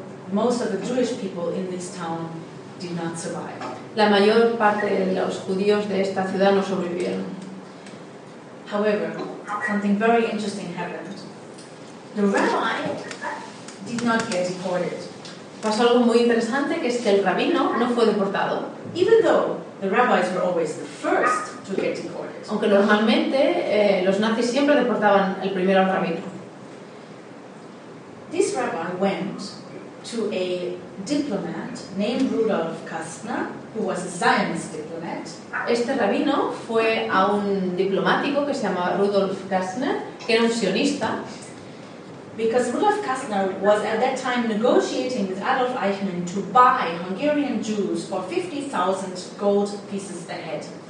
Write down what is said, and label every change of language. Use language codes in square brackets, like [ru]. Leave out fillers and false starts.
[en] Most of the Jewish people in this town did not survive. [es] La mayor parte de los judíos de esta ciudad no sobrevivieron. [en] However, something very interesting happened. The rabbi did not get deported. [es] Pasó algo muy interesante, que es que el rabino no fue deportado. [en] Even though the rabbis were always the first to get deported. [es] Aunque normalmente los nazis siempre deportaban el primero al rabino. [en] This rabbi went to a diplomat named Rudolf Kastner, who was a Zionist diplomat. [es] Este rabino fue a un diplomático que se llamaba Rudolf Kastner, que era un sionista. [en] Because Rudolf Kastner was at that time negotiating with Adolf Eichmann to buy Hungarian Jews for 50,000 gold pieces a head.